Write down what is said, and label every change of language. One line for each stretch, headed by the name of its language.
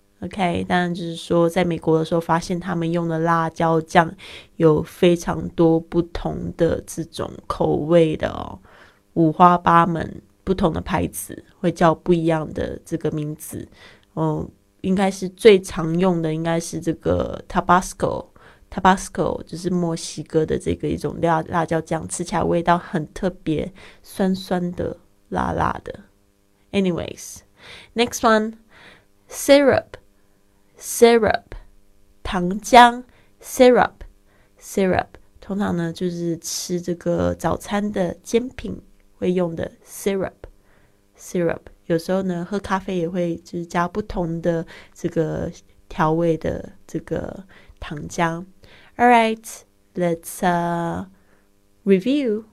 Chinese: OK， 当然就是说在美国的时候发现他们用的辣椒酱有非常多不同的这种口味的哦，五花八门，不同的牌子会叫不一样的这个名字哦。应该是最常用的应该是这个 Tabasco 就是墨西哥的这个一种辣椒酱，吃起来味道很特别，酸酸的辣辣的。
English: Anyways， Next one, syrup, syrup,
Chinese: 糖浆
English: syrup, syrup.
Chinese: 通常呢，就是吃这个早餐的煎饼会用的 syrup, syrup. 有时候呢，喝咖啡也会就是加不同的这个调味的这个糖浆。
English: All right, let's review.